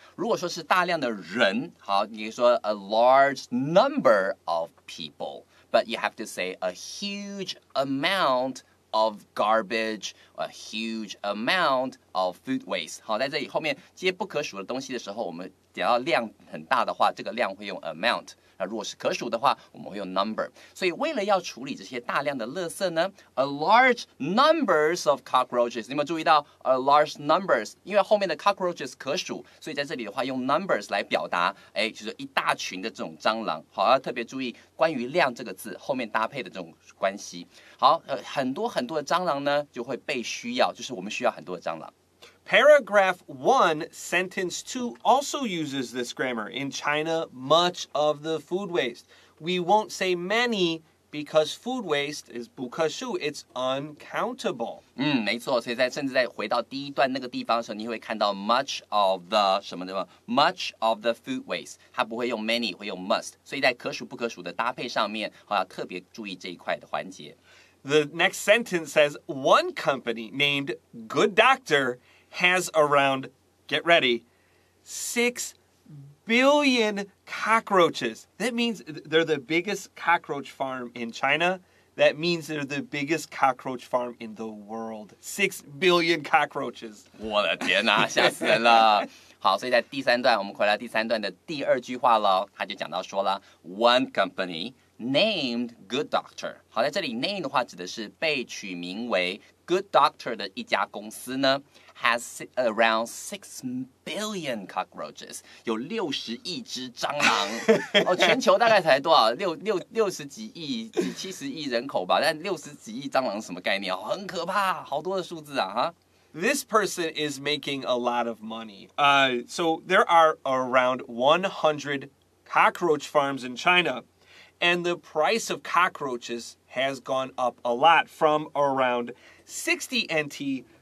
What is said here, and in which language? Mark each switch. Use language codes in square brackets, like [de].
[zh] 如果说是大量的人，好，你可以说 [en] a large number of people, but you have to say a huge amount of garbage, a huge amount of food waste。 [zh] 好，在这里后面接不可数的东西的时候，我们讲到量很大的话，这个量会用 amount。如果是可数的话，我们会用 number。所以为了要处理这些大量的垃圾呢， [en] a large numbers of cockroaches， [zh] 你有没有注意到 [en] a large numbers， [zh] 因为后面的 cockroaches 可数，所以在这里的话用 numbers 来表达，哎，就是一大群的这种蟑螂。好，要特别注意关于量这个字后面搭配的这种关系。好，很多很多的蟑螂呢就会被需要，就是我们需要很多的蟑螂。 [en] Paragraph 1, sentence 2 also uses this grammar. In China, much of the food waste. We won't say many because food waste is 不可数, it's uncountable. [zh] 没错，所以在甚至在回到第一段那个地方的时候，你会看到 [en] much of the [zh] 什么的吗？ [en] Much of the food waste. [zh] 它不会用 [en] many, [zh] 会用 [en] must. [zh] 所以在可数不可数的搭配上面，要特别注意这一块的环节。 [en] The next sentence says, one company named Good Doctor... has around, get ready, 6 billion cockroaches. That means they're the biggest cockroach farm in China. That means they're the biggest cockroach farm in the world. 6 billion cockroaches. [zh] 我的天哪，吓死人了。好，所以在第三段，我们回来第三段的第二句话了，他就讲到说了 [en] one company named Good Doctor. [zh] 好，在这里 name 的话指的是被取名为 Good Doctor 的一家公司呢。 [en] Has around 6 billion cockroaches, [zh] 有六十亿只蟑螂。哦，全球大概才多少？六十几亿，七十亿人口吧。但六十几亿蟑螂什么概念？很可怕，好多的数字啊！哈。 [en] This person is making a lot of money. So there are around 100 cockroach farms in China, and the price of cockroaches has gone up a lot from around 60 NT.